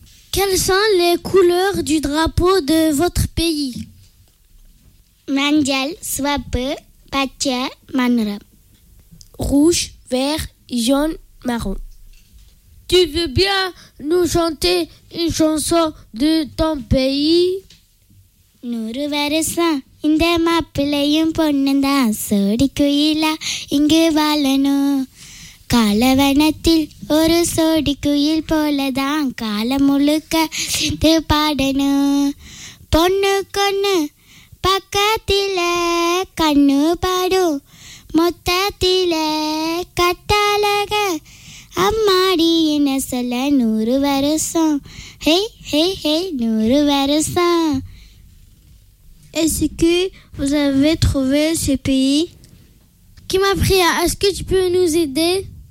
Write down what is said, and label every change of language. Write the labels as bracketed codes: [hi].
[fr] Quelles sont les couleurs du drapeau de votre pays? [ta] Mandjal, Swape, Patia, Manra. [fr] Rouge, vert, jaune, marron. Tu veux bien nous chanter une chanson de ton pays? [ta] Nourou Varesan. இந்த மாப்பிள்ளையும் பொண்ணுந்தான் சோடி குயில இங்கு வாழணும் காலவனத்தில் ஒரு சோடி குயில் போலதான் காலம் முழுக்க சேர்ந்து பாடணும் பொண்ணு கொண்ணு பக்கத்தில கண்ணு பாடும் மொத்தத்தில கட்டாலக அம்மாடி என்ன சொல்ல நூறு வருஷம் ஹே ஹே ஹே நூறு வருஷம். [fr] Est-ce que vous avez trouvé ce pays? Kemepriya, est-ce que tu peux nous aider?